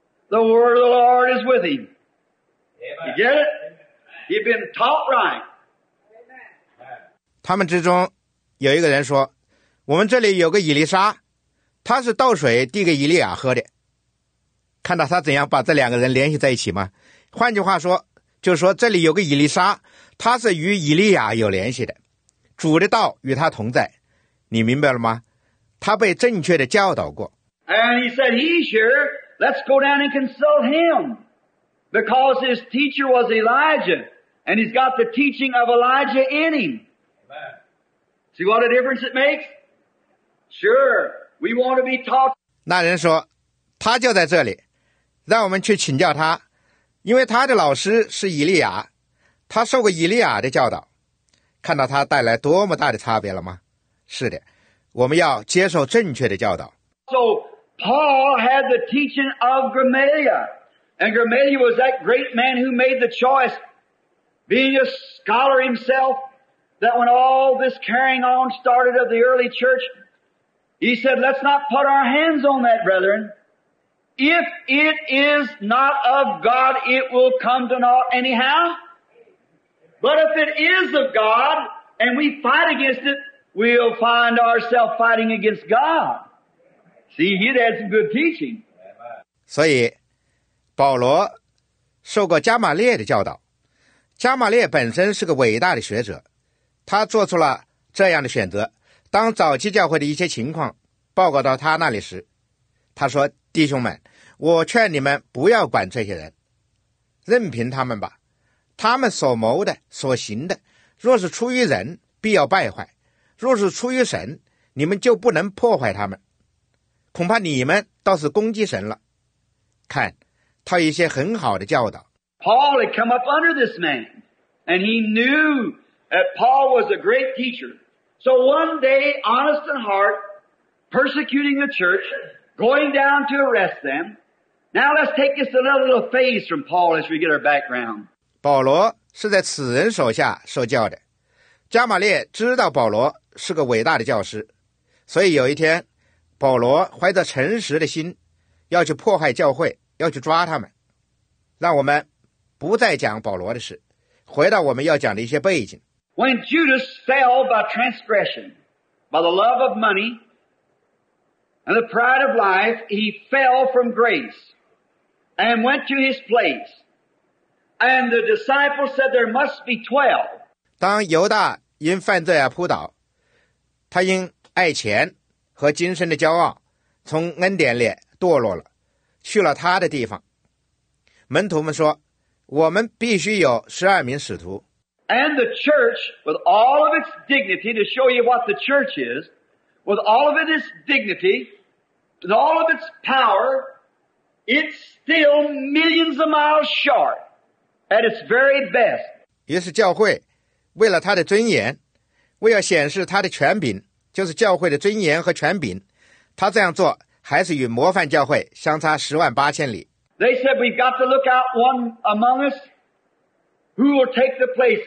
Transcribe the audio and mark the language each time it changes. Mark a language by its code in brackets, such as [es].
[en] The word of the Lord is with him. You get it? He'd been taught right. [zh] 他们之中有一个人说，我们这里有个以利沙，他是倒水递给以利亚喝的。看到他怎样把这两个人联系在一起吗？换句话说，就是说这里有个以利沙，他是与以利亚有联系的，主的道与他同在，你明白了吗？他被正确的教导过。 [en] And he said, he's here, let's go down and consult him, because his teacher was Elijah, and he's got the teaching of Elijah in him. See what a difference it makes? Sure, we want to be taught. [zh] 那人说，他就在这里，让我们去请教他。因为他的老师是以利亚，他受过以利亚的教导，看到他带来多么大的差别了吗？是的，我们要接受正确的教导。 [en] So Paul had the teaching of Gamaliel, and Gamaliel was that great man who made the choice, being a scholar himself, that when all this carrying on started of the early church, he said, "Let's not put our hands on that, brethren." If it is not of God, it will come to naught anyhow. But if it is of God, and we fight against it, we'll find ourselves fighting against God. See, he had some good teaching. [zh] 所以，保罗受过加马列的教导。加马列本身是个伟大的学者，他做出了这样的选择：当早期教会的一些情况报告到他那里时，他说：“弟兄们。” 我劝你们不要管这些人，任凭他们吧。他们所谋的、所行的，若是出于人，必要败坏；若是出于神，你们就不能破坏他们。恐怕你们倒是攻击神了。看，他有一些很好的教导。 [en] Paul had come up under this man, and he knew that Paul was a great teacher. So one day, honest in heart, persecuting the church. Going down to arrest them. Now let's take just another little phase from Paul as we get our background. [zh] 保罗是在此人手下受教的。加马列知道保罗是个伟大的教师，所以有一天，保罗怀着诚实的心，要去迫害教会，要去抓他们。让我们不再讲保罗的事，回到我们要讲的一些背景。 [en] When Judas fell by transgression, by the love of money,And the pride of life, he fell from grace and went to his place. And the disciples said there must be 12. [zh] 当犹大因犯罪而扑倒，他因爱钱和今生的骄傲从恩典里堕落了，去了他的地方。门徒们说，我们必须有十二名使徒。 [en] And the church, with all of its dignity, to show you what the church is, with all of its dignity, with all of its power, it's still millions of miles short at its very best. [zh] 于是教会为了他的尊严，为了显示他的权柄，就是教会的尊严和权柄，他这样做还是与模范教会相差十万八千里。 [en] They said, we've got to look out one among us who will take the place.